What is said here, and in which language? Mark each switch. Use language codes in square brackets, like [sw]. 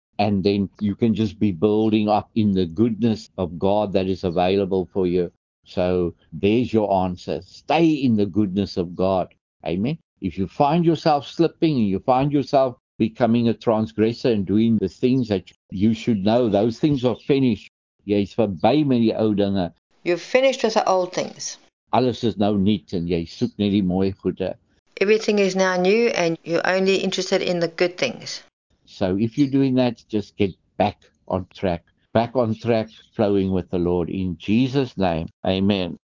[en] And then you can just be building up in the goodness of God that is available for you. So there's your answer. Stay in the goodness of God. Amen. If you find yourself slipping and you find yourself becoming a transgressor and doing the things that you should know, those things are finished. [af] Jy is verby met die ou dinge. [en] You're finished with the old things. [af] Alles is nou nuut en jy soek net die mooi goede. [en] Everything is now new and you're only interested in the good things. So if you're doing that, just get back on track. Back on track, flowing with the Lord. In Jesus' name, amen.